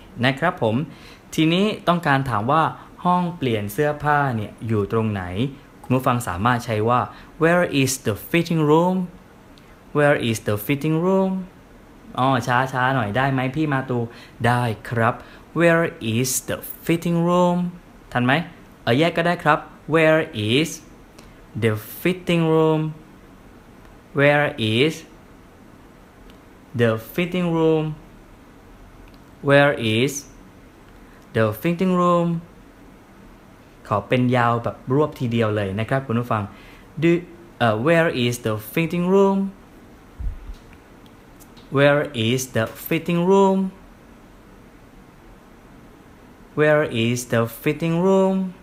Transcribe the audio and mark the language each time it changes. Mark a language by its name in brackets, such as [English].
[Thai] นะครับผมทีนี้ต้องการถามว่าห้องเปลี่ยนเสื้อผ้าเนี่ยอยู่ตรงไหนคุณผู้ฟังสามารถใช้ว่า [English] Where is the fitting roomWhere is the fitting room? [Thai] ช้าหน่อยได้ไหมพี่มาตูได้ครับ [English] Where is the fitting room? [Thai] ทันไหมแยกก็ได้ครับ [English] Where is the fitting room? Where is the fitting room? Where is the fitting room? [Thai] ขอเป็นยาวแบบรวบทีเดียวเลยนะครับคุณผู้ฟัง [English] Where is the fitting roomWhere is the fitting room? Where is the fitting room?